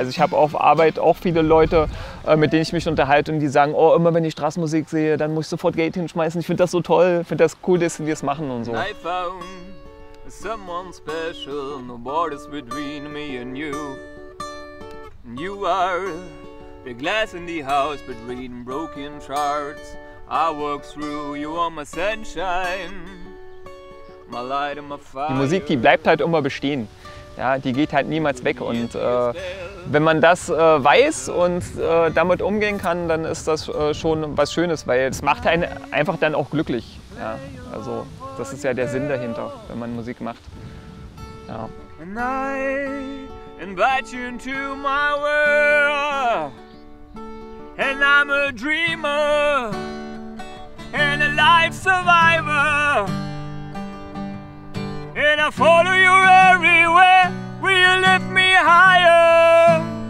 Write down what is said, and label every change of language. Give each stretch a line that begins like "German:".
German: Also ich habe auf Arbeit auch viele Leute, mit denen ich mich unterhalte und die sagen, oh, immer wenn ich Straßenmusik sehe, dann muss ich sofort Geld hinschmeißen. Ich finde das so toll, finde das cool, dass die es machen und so.
English: I found someone special, no borders between me and you. You are the glass in the house between broken shards. I walk through, you are my sunshine.
German: Die Musik, die bleibt halt immer bestehen. Ja, die geht halt niemals weg. Und wenn man das weiß und damit umgehen kann, dann ist das schon was Schönes, weil es macht einen einfach dann auch glücklich. Ja, also das ist ja der Sinn dahinter, wenn man Musik macht. Ja.
English: And I invite you into my world. And I'm a dreamer and a life survivor. And I follow you everywhere, will you lift me higher?